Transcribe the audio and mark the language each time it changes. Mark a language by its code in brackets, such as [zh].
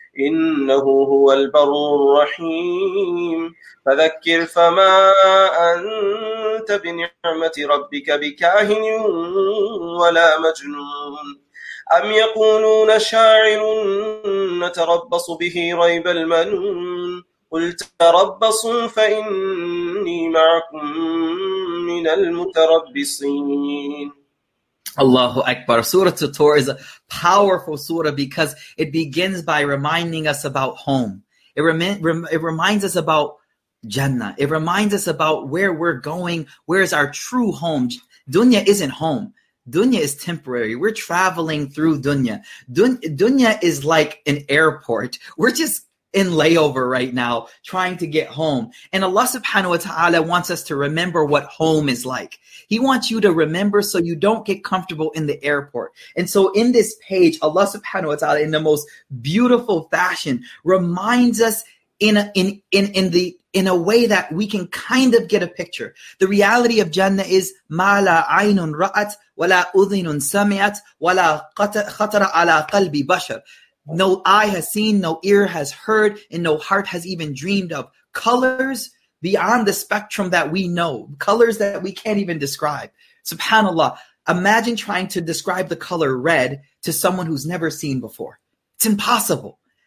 [ar] إنه هو البر الرحيم فذكر فما أنت بنعمة ربك بكاهن ولا مجنون أم يقولون شاعر نتربص به ريب المنون قل تربصوا فإني معكم من المتربصين. Allahu Akbar. [en] Surah At-Tur is a powerful surah because it begins by reminding us about home. It reminds us about Jannah. It reminds us about where we're going. Where is our true home? Dunya isn't home. Dunya is temporary. We're traveling through dunya. Dunya is like an airport. We're just in layover right now, trying to get home. And Allah subhanahu wa ta'ala wants us to remember what home is like. He wants you to remember so you don't get comfortable in the airport. And so in this page, Allah subhanahu wa ta'ala, in the most beautiful fashion, reminds us in a way that we can kind of get a picture. The reality of Jannah is [ar] مَا لَا عَيْنٌ رَأَتْ وَلَا أُذِنٌ سَمِعَتْ وَلَا خَطَرَ عَلَى قَلْبِ بَشَرٍ. [en] No eye has seen, no ear has heard, and no heart has even dreamed of colors beyond the spectrum that we know, colors that we can't even describe. Subhanallah, imagine trying to describe the color red to someone who's never seen before. It's impossible.